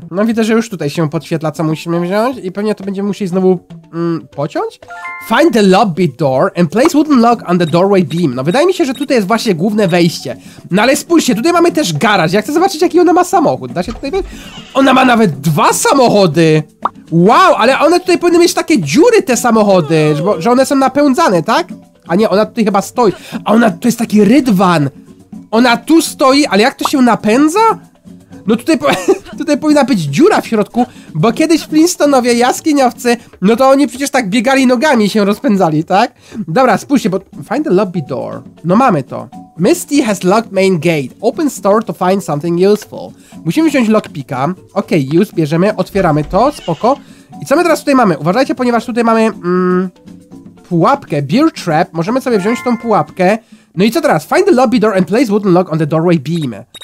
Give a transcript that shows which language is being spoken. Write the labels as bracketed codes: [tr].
[pl] No widzę, że już tutaj się podświetla, co musimy wziąć. I pewnie to będziemy musieli znowu pociąć. [en] Find the lobby door and place wooden log on the doorway beam. [pl] No wydaje mi się, że tutaj jest właśnie główne wejście. No ale spójrzcie, tutaj mamy też garaż. Ja chcę zobaczyć, jaki ona ma samochód. Da się tutaj wejść? Ona ma nawet dwa samochody. Wow, ale one tutaj powinny mieć takie dziury, te samochody, że one są napędzane, tak? A nie, ona tutaj chyba stoi. A ona, to jest taki rydwan. Ona tu stoi, ale jak to się napędza? No tutaj powinna być dziura w środku, bo kiedyś Flintstonowie, jaskiniowcy, no to oni przecież tak biegali nogami i się rozpędzali, tak? Dobra, spójrzcie, bo [en] find the lobby door. [pl] No mamy to. [en] Misty has locked main gate. Open store to find something useful. [pl] Musimy wziąć lockpicka. Okej, okay, use, bierzemy, otwieramy to, spoko. I co my teraz tutaj mamy? Uważajcie, ponieważ tutaj mamy pułapkę, beer trap. Możemy sobie wziąć tą pułapkę. No i co teraz? [en] Find the lobby door and place wooden lock on the doorway beam.